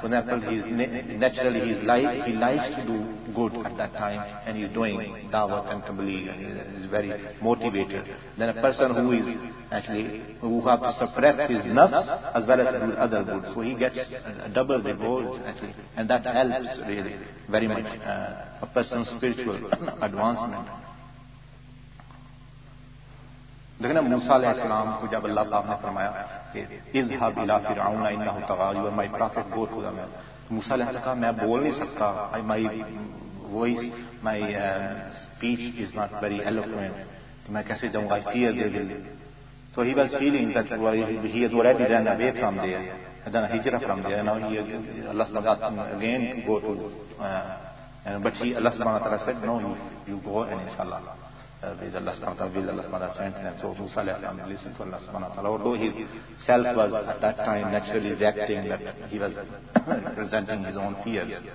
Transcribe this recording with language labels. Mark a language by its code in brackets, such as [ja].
[en] For example, he likes to do good at that time, and he's doing da'wah and tabligh, and he's very motivated. Then a person who is actually, who have to suppress his nafs as well as do other good. So he gets a double reward, actually, and that helps really very much a person's spiritual advancement. [ur] دیکھنا موسیٰ علیہ السلام کو جب اللہ پاک نے فرمایا کہ [ar] اذهب الى فرعون انه طغى [ur] و [en] my prophet go to him, [ur] موسیٰ علیہ السلام کہا میں بول نہیں سکتا, [en] my speech is not very eloquent, [ur] تو میں کیسے جاؤں گا, [en] I fear they will. So he was feeling that he had already ran away from there, had done a hijra from there, now he Allah سبحانہ وتعالیٰ asked him again to go to but he Allah سبحانہ وتعالیٰ said no, you go and inshallah with Allah subhanahu wa ta'ala, will Allah subhanahu wa ta'ala sent them. So Musa alayhi salam listened to Allah subhanahu wa ta'ala, although his self was at that time naturally reacting, that he was presenting his own fears.